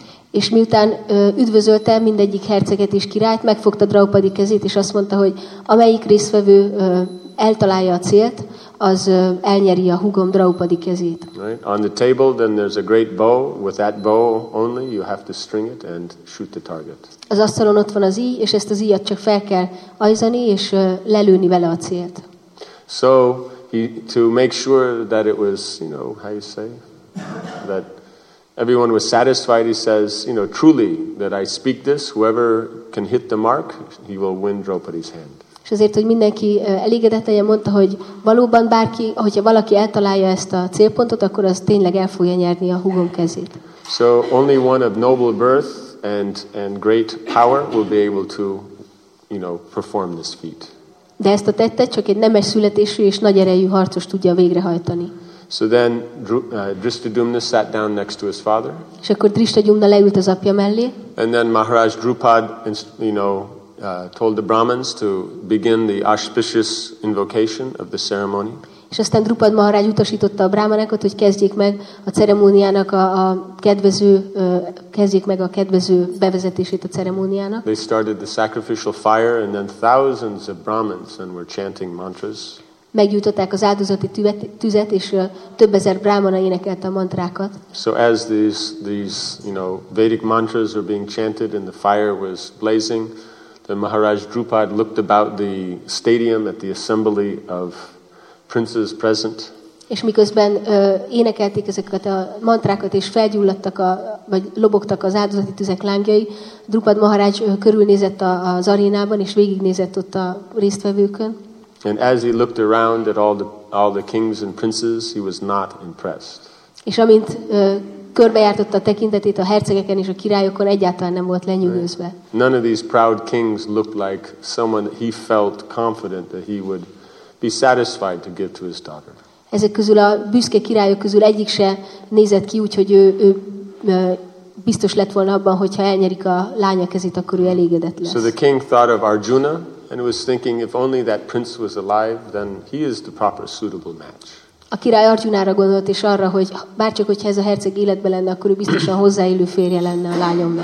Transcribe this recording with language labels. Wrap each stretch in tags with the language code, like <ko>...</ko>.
<hu>És miután üdvözölte mindegyik herceget és királyt, megfogta Draupadi kezét, és azt mondta, hogy amelyik résztvevő eltalálja a célt, az elnyeri a húgom Draupadi kezét.</hu> <en>Right. On the table, then there's a great bow. With that bow only, you have to string it and shoot the target.</en> <hu>Az asztalon ott van az íj, és ezt az íjat csak fel kell ajzani, és lelőni vele a célt.</hu> <en>So, to make sure that it was, how you say, that everyone was satisfied, he says, truly that I speak this, whoever can hit the mark, he will win Draupadi's hand.</en> <hu>És azért, hogy mindenki elégedett legyen, mondta, hogy valóban bárki, hogyha valaki eltalálja ezt a célpontot, akkor az tényleg el fogja nyerni a húgom kezét.</hu> <en>So only one of noble birth and great power will be able to, you know, perform this feat.</en> <hu>De ezt a tettet csak egy nemes születésű és nagy erejű harcos tudja végrehajtani.</hu> <en>So then Drishtadyumna sat down next to his father.</en> <hu>És akkor Drishtadyumna leült az apja mellé.</hu> <en>And then Maharaj Drupad, you know, told the Brahmins to begin the auspicious invocation of the ceremony.</en> <hu>És aztán Drupad Maharaj utasította a brámanákat, hogy kezdjék meg a ceremóniának a kedvező bevezetését a ceremóniának.</hu> <en>They started the sacrificial fire and then thousands of Brahmins and were chanting mantras.</en> <hu>Meggyújtották az áldozati tüzet, és több ezer brámana énekelte a mantrákat.</hu> <en>So as these you know, Vedic mantras were being chanted and the fire was blazing, then Maharaj Drupad looked about the stadium at the assembly of princes present.</en> <hu>És miközben énekelték ezeket a mantrákat, és felgyulladtak vagy lobogtak az áldozati tüzek lángjai, Drupad Maharaj körülnézett az arénában, és végignézett ott a résztvevőkön.</hu> <en>And as he looked around at all the kings and princes, he was not impressed.</en> <hu>És amint körbejártotta a tekintetét a hercegeken és a királyokon, egyáltalán nem volt lenyűgözve.</hu> <en>Right. None of these proud kings looked like someone he felt confident that he would be satisfied to give to his daughter.</en> <hu>Ezek közül a büszke királyok közül egyik se nézett ki úgy, hogy ő biztos lett volna abban, hogyha elnyerik a lánya kezét, akkor ő elégedett lesz.</hu> <en>So the king thought of Arjuna. And was thinking, if only that prince was alive, then he is the proper suitable match.</en> <hu>A király Arjunára gondolt, és arra, hogy bárcsak, hogyha ez a herceg életben lenne, akkor ő biztosan hozzáillő férje lenne a lányomnak.</hu>